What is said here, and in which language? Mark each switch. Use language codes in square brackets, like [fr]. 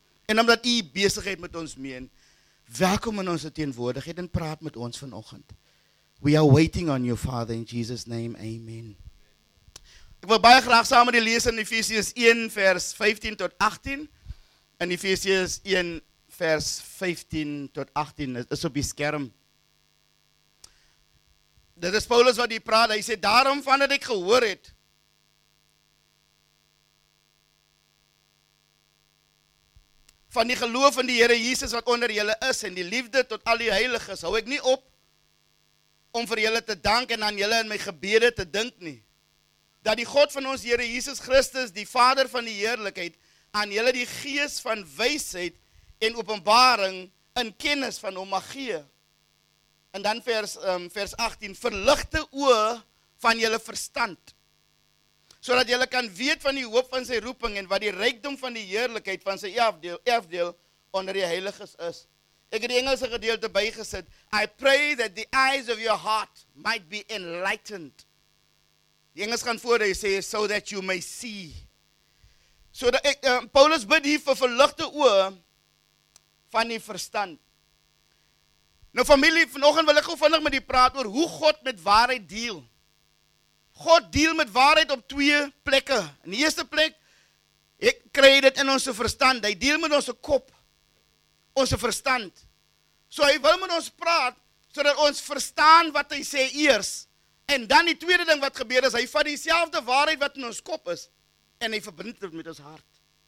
[af] En omdat u besigheid met ons meen, welkom in ons teenwoordigheid en praat met ons vanoggend. [en] We are waiting on you, Father, in Jesus' name, amen. [af] Ek wil baie graag saam met die lees in Efesiërs 1 vers 15 tot 18. In Efesiërs 1 vers 15 tot 18, is op die skerm. Dit is Paulus wat hier praat, hy sê, daarom van dat ek gehoor het, van die geloof in die Here Jesus wat onder julle is, en die liefde tot al die heiliges, hou ek nie op om vir julle te dank en aan julle in my gebede te dink nie, dat die God van ons Here Jesus Christus, die Vader van die Heerlikheid, aan julle die gees van wysheid en openbaring in kennis van hom mag gee. En dan vers 18, verligte oë van julle verstand, sodat julle kan weet van die hoop van sy roeping en wat die rykdom van die heerlikheid van sy erfdeel onder die heiliges is. Ek het die Engelse gedeelte bygesit. [en] I pray that the eyes of your heart might be enlightened. [af] Die Engels gaan voor, hy sê, [en] so that you may see. [af] So dat ek, Paulus bid hier vir verligte oë van die verstand. Nou familie, vanoggend wil ek gou vinnig met u praat oor hoe God met waarheid deel. God deel met waarheid op 2 plekke. In die eerste plek, ek kry dit in ons verstand. Hy deel met ons kop, ons verstand. So hy wil met ons praat, sodat ons verstaan wat hy sê eers. En dan die tweede ding wat gebeur is, hy vat dieselfde waarheid wat in ons kop is, en hy verbind dit met ons hart.